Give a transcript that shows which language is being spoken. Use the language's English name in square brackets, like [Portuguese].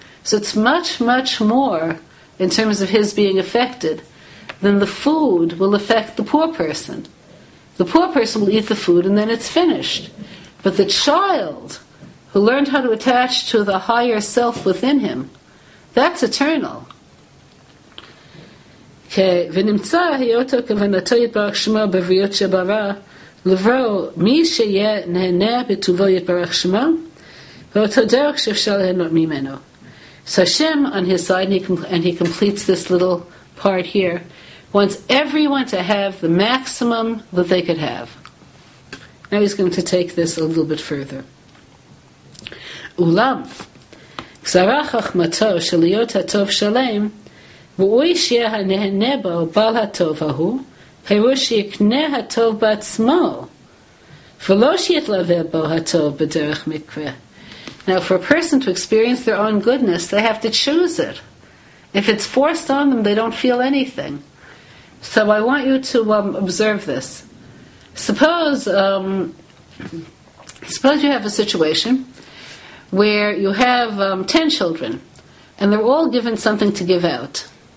[English] So it's much, much more in terms of his being affected than the food will affect the poor person. The poor person will eat the food and then it's finished. But the child who learned how to attach to the higher self within him, that's eternal. [Hebrew] ונמצא היותו כוונתו יתברך שמו בבריאות שברא לברוא מי שיהיה נהנה בטובו יתברך שמו ואותו דרך שאפשר להנות ממנו. [English] So Hashem on his side, and he completes this little part here, wants everyone to have the maximum that they could have. Now he's going to take this a little bit further. [Hebrew] אולם גזרה חכמתו של להיות הטוב שלם ראוי שיהיה הנהנה בו בעל הטוב ההוא, פירוש שיקנה הטוב בעצמו, ולא שיתלווה בו הטוב בדרך מקרה. [English] Now for a person to experience their own goodness, they have to choose it. If it's forced on them, they don't feel anything. So I want you to observe this. Suppose you have a situation where you have 10 children, and they're all given something to give out.